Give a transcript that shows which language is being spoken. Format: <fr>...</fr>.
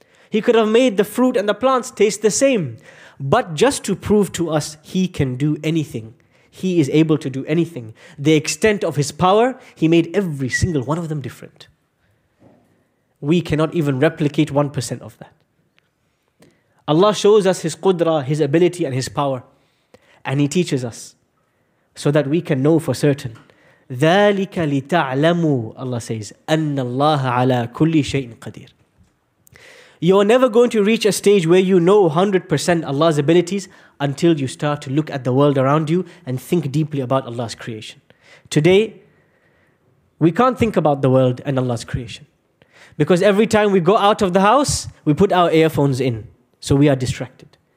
<en>He could have made the fruit and the plants taste the same. But just to prove to us He can do anything, He is able to do anything, the extent of His power, He made every single one of them different. We cannot even replicate 1% of that. Allah shows us His qudra, His ability and His power. And He teaches us so that we can know for certain.</en> <ar>ذَلِكَ لِتَعْلَمُوا,</ar> <en>Allah says,</en> <ar>أَنَّ اللَّهَ عَلَىٰ كُلِّ شَيْءٍ قَدِيرٍ.</ar> <en>You're never going to reach a stage where you know 100% Allah's abilities until you start to look at the world around you and think deeply about Allah's creation. Today, we can't think about the world and Allah's creation. Because every time we go out of the house, we put our earphones in. So we are distracted.</en>